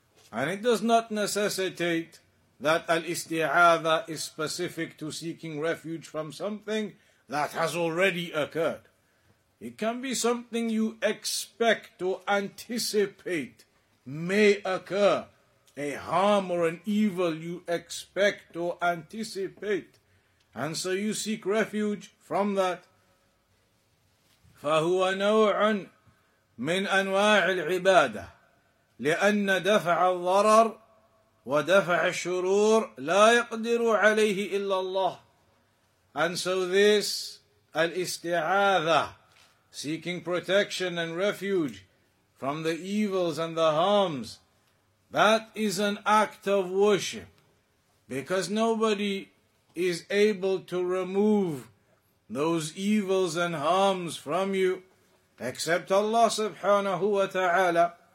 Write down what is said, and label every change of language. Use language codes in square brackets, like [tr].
[en] And it does not necessitate that al-isti'adha is specific to seeking refuge from something that has already occurred. It can be something you expect or anticipate may occur, a harm or an evil you expect or anticipate, and so you seek refuge from that. [ar] فهو نوع من أنواع العبادة لأن دفع الضرر ودفع الشرور لا يقدر عليه إلا الله. [en] And so this الاستعاذة, seeking protection and refuge from the evils and the harms, that is an act of worship, because nobody is able to remove those evils and harms from you except Allah subhanahu wa ta'ala.